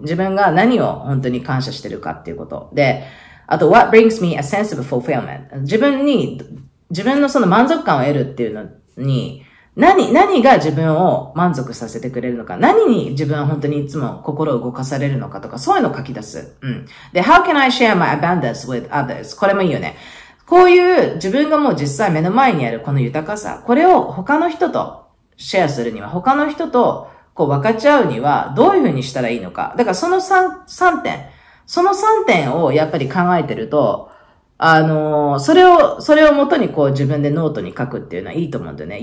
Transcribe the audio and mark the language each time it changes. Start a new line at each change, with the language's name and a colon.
Japanese: 自分が何を本当に感謝してるかっていうこと。
English: で、あと What brings me a sense of fulfillment?
Japanese: 自分のその満足感を得るっていうのに、何が自分を満足させてくれるのか、何に自分は本当にいつも心を動かされるのかとか、そういうのを書き出す。うん。
English: で、How can I share my abundance with others?
Japanese: これもいいよね。こういう自分がもう実際目の前にあるこの豊かさ、これを他の人とシェアするには、他の人とこう分かち合うには、どういうふうにしたらいいのか。だからその3点。その3点をやっぱり考えてると、それを元にこう自分でノートに書くっていうのはいいと思うんだよね。